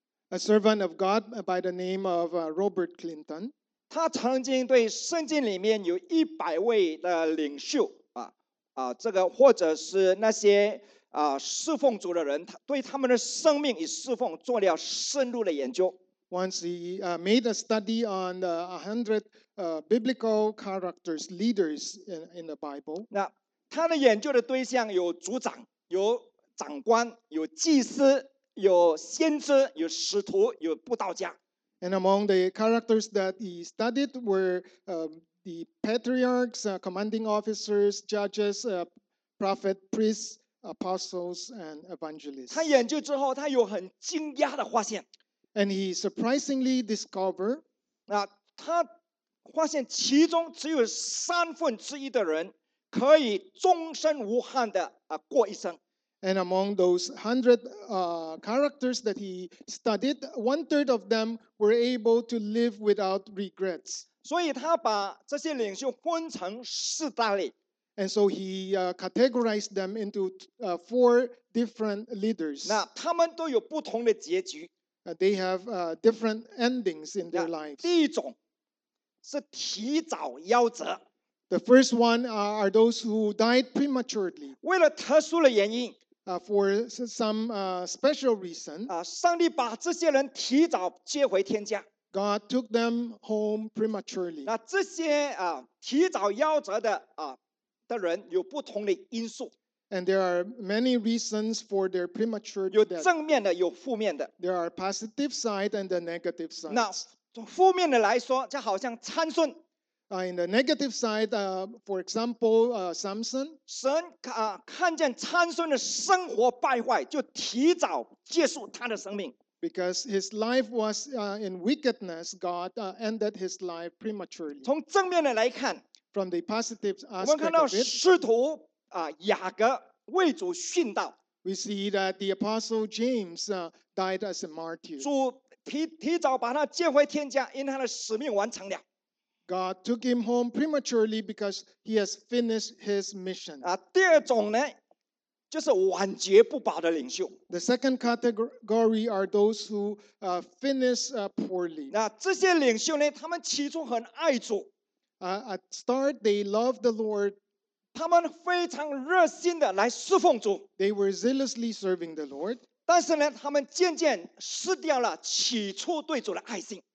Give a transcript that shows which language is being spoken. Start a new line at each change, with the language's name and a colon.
English: A servant of God by the name of Robert Clinton，
Chinese: 他曾经对圣经里面有100位的领袖这个或者是那些侍奉主的人，他对他们的生命与侍奉做了深入的研究。
English: Once he made a study on 100 biblical characters, leaders in the Bible.
Chinese: 那他的研究的对象有族长、有长官、有祭司、有先知、有使徒、有布道家。
English: And among the characters that he studied were the patriarchs, commanding officers, judges, prophet, priests, apostles, and evangelists.
Chinese: 他研究之后，他有很惊讶的发现。
English: And he surprisingly discovered,
Chinese: 那他发现其中只有三分之一的人可以终身无憾的过一生。
English: And among those 100 characters that he studied, one third of them were able to live without regrets.
Chinese: 所以他把这些领袖分成四大类。
English: And so he categorized them into four different leaders.
Chinese: 那他们都有不同的结局。
English: They have different endings in their lives.
Chinese: 第一种是提早夭折。
English: The first one are those who died prematurely.
Chinese: 为了特殊的原因。
English: For some special reason,
Chinese: 上帝把这些人提早接回天家。
English: God took them home prematurely.
Chinese: 那这些提早夭折的人有不同的因素。
English: And there are many reasons for their premature death.
Chinese: 有正面的，有负面的。
English: There are positive side and the negative side.
Chinese: 那负面的来说，就好像参孙。
English: In the negative side, for example, Samson.
Chinese: 神看见参孙的生活败坏，就提早结束他的生命。
English: Because his life was in wickedness, God ended his life prematurely.
Chinese: 从正面的来看，
English: from the positive aspect of it,
Chinese: 我们看到使徒雅各为主殉道。
English: We see that the apostle James died as a martyr.
Chinese: 主提早把他接回天家，因他的使命完成了。
English: God took him home prematurely because he has finished his mission.
Chinese: 第二种呢，就是晚节不保的领袖。
English: The second category are those who finish poorly.
Chinese: 那这些领袖呢，他们起初很爱主。
English: At start, they loved the Lord.
Chinese: 他们非常热心的来侍奉主。
English: They were zealously serving the Lord.
Chinese: 但是呢，他们渐渐失掉了起初对主的爱心。